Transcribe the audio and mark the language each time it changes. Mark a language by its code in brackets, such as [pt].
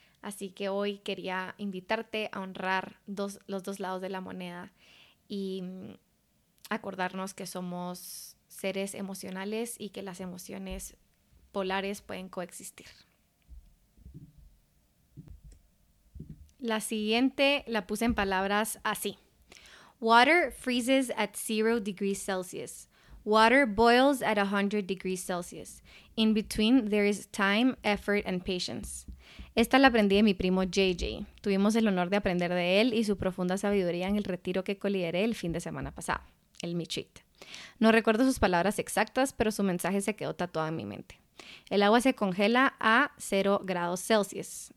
[es] Así que hoy quería invitarte a honrar los dos lados de la moneda y acordarnos que somos seres emocionales y que las emociones polares pueden coexistir. La siguiente la puse en palabras así: [en] water freezes at 0 degrees Celsius. Water boils at 100 degrees Celsius. In between, there is time, effort, and patience. [es] Esta la aprendí de mi primo JJ. Tuvimos el honor de aprender de él y su profunda sabiduría en el retiro que colideré el fin de semana pasado, el Michit. No recuerdo sus palabras exactas, pero su mensaje se quedó tatuado en mi mente. El agua se congela a 0 grados Celsius.